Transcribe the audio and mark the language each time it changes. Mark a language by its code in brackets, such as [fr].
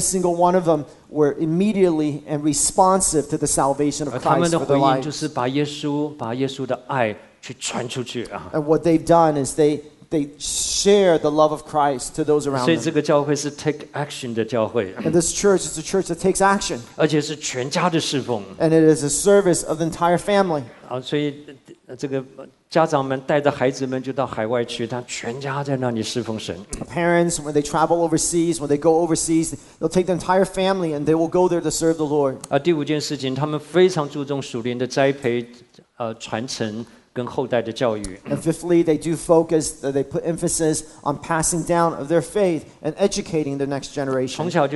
[en] single one of them were immediately and responsive to the salvation of Christ for their lives. [zh] 他们的回应就是把耶稣，把耶稣的爱去传出去。 [en] And what they've done is they share the love of Christ to those around them. [zh] 所以这个教会是 [en] take action [zh] 的教会。 [en] And this church is a church that takes action. [zh] 而且是全家的侍奉。And [en] it is a service of the entire family. [zh] 所以这个家长们带着孩子们就到海外去，他全家在那里侍奉神。 [en] Parents, when they travel overseas, when they go overseas, they'll take the entire family and they will go there to serve the Lord. [zh] 第五件事情，他们非常注重属灵的栽培、传承。 [en] And fifthly, they do focus, they put emphasis on passing down of their faith and educating the next generation.